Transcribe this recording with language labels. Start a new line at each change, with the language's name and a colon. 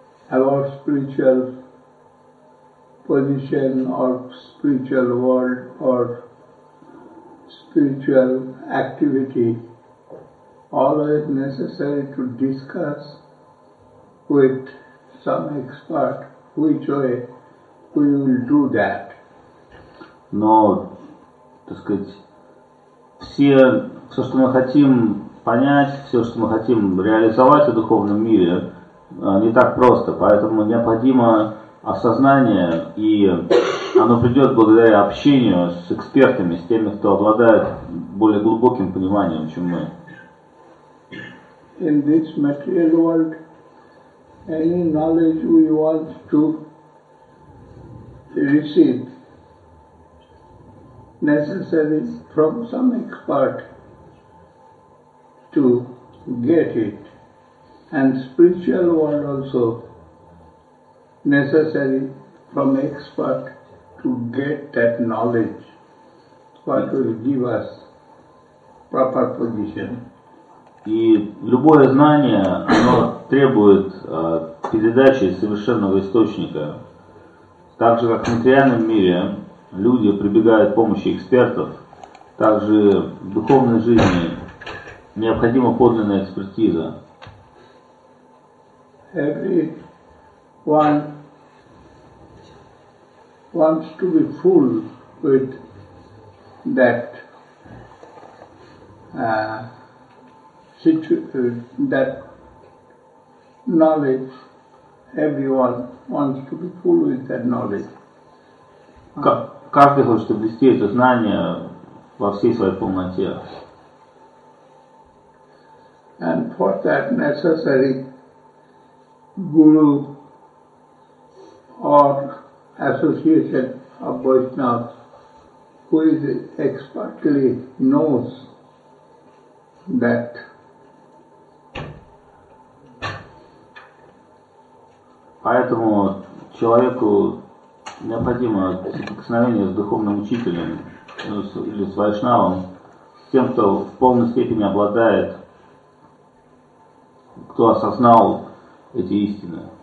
English: About spiritual position or spiritual world or spiritual activity, always necessary to discuss with some expert which way we will do that.
Russian: Но, так сказать, все, что мы хотим понять, все, что мы хотим реализовать в духовном мире, не так просто, поэтому необходимо осознание, и оно придет благодаря общению с экспертами, с теми, кто обладает более глубоким пониманием, чем мы.
English: In this material world, any knowledge we want to receive necessary from some expert to get it. And spiritual world also necessary from expert to get that knowledge what will give us proper position.
Russian: И любое знание, оно требует передачи из совершенного источника. Так же, как в материальном мире люди прибегают к помощи экспертов, так же в духовной жизни необходима подлинная экспертиза.
English: Everyone wants to be full with that knowledge. Everyone wants to be full with that knowledge.
Russian: Каждый хочет обрести это знание во всей своей полноте.
English: And for that necessary. Guru or association of Vaishnavas who is expertly knows that
Russian: поэтому человеку необходимо соприкосновение с духовным учителем или с вайшнавом, с тем, кто в полной степени обладает, кто осознал эти истины.